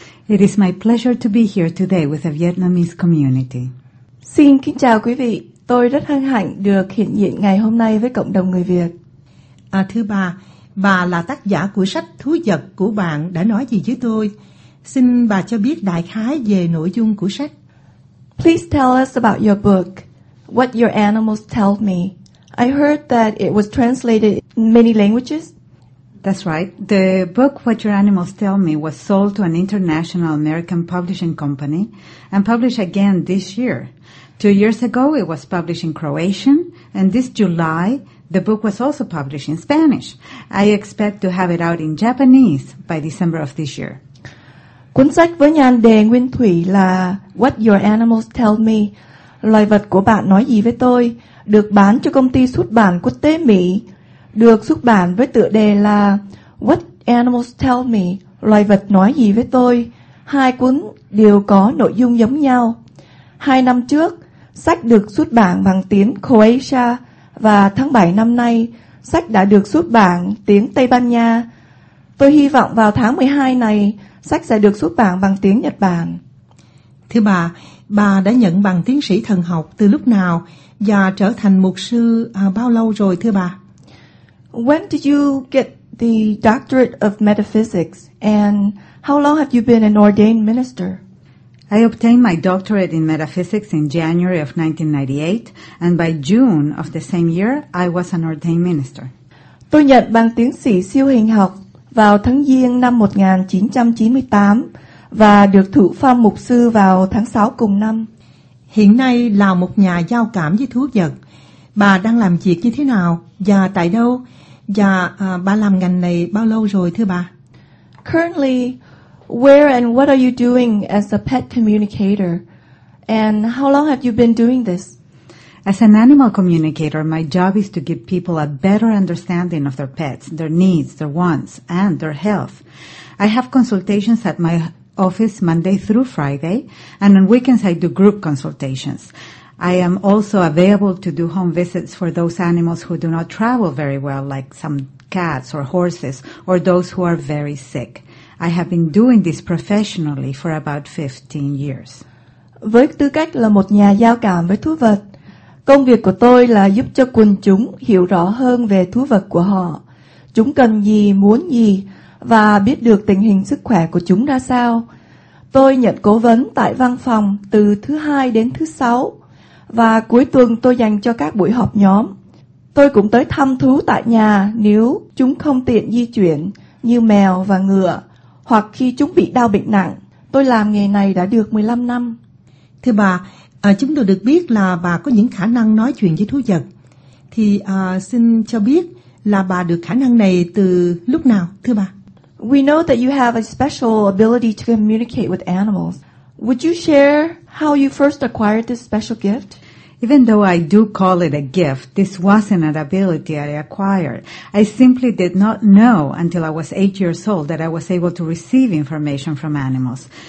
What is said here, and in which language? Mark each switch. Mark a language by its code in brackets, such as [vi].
[en] It is my pleasure to be here today with the Vietnamese community. [vi] Xin kính chào quý vị. Tôi rất hân hạnh được hiện diện ngày hôm nay với cộng đồng người Việt. Thưa bà là tác giả của sách Thú vật của bạn đã nói gì với tôi? Xin bà cho biết đại khái về nội dung của sách. [en] Please tell us about your book, What Your Animals Tell Me. I heard that it was translated in many languages. That's right. The book What Your Animals Tell Me was sold to an international American publishing company and published again this year. 2 years ago, it was published in Croatian, and this July, the book was also published in Spanish. I expect to have it out in Japanese by December of this year. [vi] Cuốn sách với nhan đề Nguyên Thủy là What Your Animals Tell Me, Loài Vật Của Bạn Nói Gì Với Tôi, được bán cho công ty xuất bản quốc tế Mỹ, được xuất bản với tựa đề là What Animals Tell Me, Loài Vật Nói Gì Với Tôi. Hai cuốn đều có nội dung giống nhau. 2 năm trước, sách được xuất bản bằng tiếng Croatia, và tháng 7 năm nay, sách đã được xuất bản tiếng Tây Ban Nha. Tôi hy vọng vào tháng 12 này, sách sẽ được xuất bản bằng tiếng Nhật Bản. Thưa bà đã nhận bằng tiến sĩ thần học từ lúc nào và trở thành mục sư bao lâu rồi thưa bà? [en] When did you get the doctorate of metaphysics and how long have you been an ordained minister? I obtained my doctorate in metaphysics in January of 1998 and by June of the same year I was an ordained minister. [vi] Tôi nhận bằng tiến sĩ siêu hình học vào tháng Giêng năm 1998 và được thụ phong mục sư vào tháng 6 cùng năm. Hiện nay là một nhà giao cảm với thú vật. Bà đang làm việc như thế nào và tại đâu? Và bà làm ngành này bao lâu rồi thưa bà? [en] Currently, where and what are you doing as a pet communicator? And how long have you been doing this? As an animal communicator, my job is to give people a better understanding of their pets, their needs, their wants, and their health. I have consultations at my office Monday through Friday, and on weekends I do group consultations. I am also available to do home visits for those animals who do not travel very well, like some cats or horses, or those who are very sick. I have been doing this professionally for about 15 years. [vi] Với tư cách là một nhà giao cảm với thú vật, công việc của tôi là giúp cho quần chúng hiểu rõ hơn về thú vật của họ. Chúng cần gì, muốn gì, và biết được tình hình sức khỏe của chúng ra sao. Tôi nhận cố vấn tại văn phòng từ thứ hai đến thứ sáu, và cuối tuần tôi dành cho các buổi họp nhóm. Tôi cũng tới thăm thú tại nhà nếu chúng không tiện di chuyển, như mèo và ngựa, hoặc khi chúng bị đau bệnh nặng. Tôi làm nghề này đã được 15 năm. Thưa bà, chúng tôi được biết là bà có những khả năng nói chuyện với thú vật. Thì xin cho biết là bà được khả năng này từ lúc nào, thưa bà? [en] We know that you have a special ability to communicate with animals. Would you share how you first acquired this special gift? Even though I do call it a gift, this wasn't an ability I acquired. I simply did not know until I was 8 years old that I was able to receive information from animals.